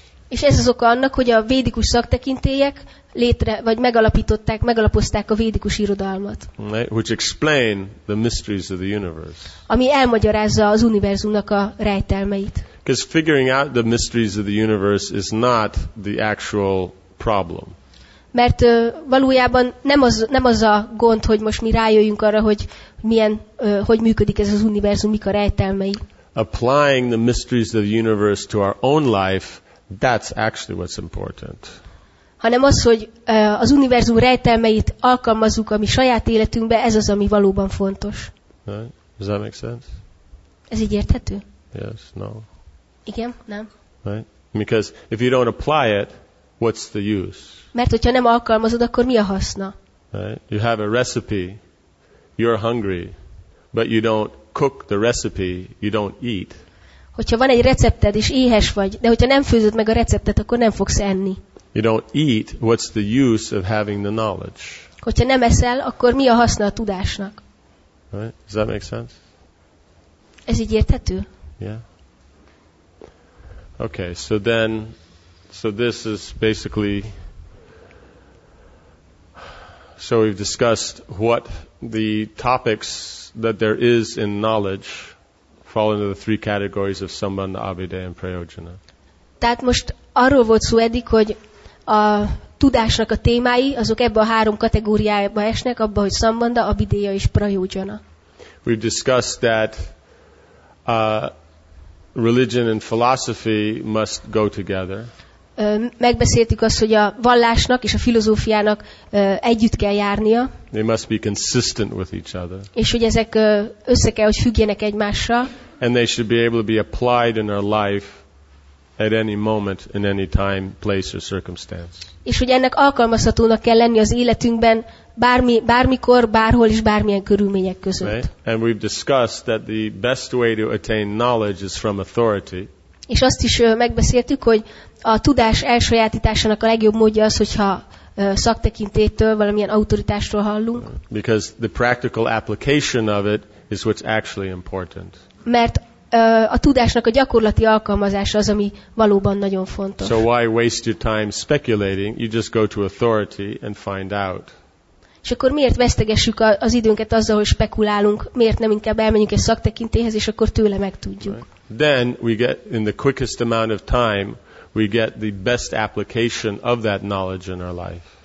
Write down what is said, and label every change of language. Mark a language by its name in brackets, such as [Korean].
[Hungarian] És ez az oka annak, hogy a védikus szaktekintélyek létre vagy megalapozták a védikus irodalmat. [English] Right, which explain the mysteries of the universe. [Hungarian] Ami elmagyarázza az univerzumnak a rejtelmeit. [English] Because figuring out the mysteries of the universe is not the actual problem. [Hungarian] Mert valójában nem az a gond, hogy most mi rájöjjünk arra, hogy milyen, hogy működik ez az univerzum, mik a rejtelmei. [English] Applying the mysteries of the universe to our own life, that's actually what's important. [Hungarian] Hanem az, hogy az univerzum rejtelmeit alkalmazzuk a mi saját életünkbe, ez az, ami valóban fontos. [English] Right. Does that make sense? [Hungarian] Ez így érthető? [English] Yes, no. [Hungarian] Igen, nem. [English] Right? Because if you don't apply it, what's the use? [Hungarian] Mert hogyha nem alkalmazod, akkor mi a haszna? [English] Right. You have a recipe, you're hungry, but you don't cook the recipe, you don't eat. [Hungarian] Hogyha van egy recepted és éhes vagy, de hogyha nem főzöd meg a receptet, akkor nem fogsz enni. [English] You don't eat, what's the use of having the knowledge? [Hungarian] Hogyha nem eszel, akkor mi a haszna a tudásnak? [English] Right. Does that make sense? [Hungarian] Ez így érthető? [English] Yeah. Okay, so this is basically... So we've discussed what the topics that there is in knowledge fall into the three categories of Sambandha, Abhideya and Prayojana. [Hungarian] Tehát most arról volt szó eddig, hogy a tudásnak a témái, azok ebbe a három kategóriába esnek, abba, hogy Sambandha, Abhideya és Prayojana. [English] We've discussed that religion and philosophy must go together. [Hungarian] Megbeszéltük azt, hogy a vallásnak és a filozófiának együtt kell járnia. [English] They must be consistent with each other. [Hungarian] És hogy ezek össze kell, hogy függjenek egymással. [English] And they should be able to be applied in our life at any moment, in any time, place or circumstance. [Hungarian] És hogy ennek alkalmazhatónak kell lenni az életünkben bármikor, bárhol és bármilyen körülmények között. [English] Right? And we've discussed that the best way to attain knowledge is from authority. [Hungarian] És azt is megbeszéltük, hogy a tudás elsajátításának a legjobb módja az, hogyha szaktekintélytől, valamilyen autoritástól hallunk. [English] Because the practical application of it is what's actually important. [Hungarian] Mert a tudásnak a gyakorlati alkalmazása az, ami valóban nagyon fontos. [English] So why waste your time speculating? You just go to authority and find out. [Hungarian] És akkor miért vesztegessük az időnket azzal, hogy spekulálunk? Miért nem inkább elmenjünk egy szaktekintéhez, és akkor tőle megtudjuk? [English] Right. Then we get in the quickest amount of time, we get the best application of that knowledge in our life.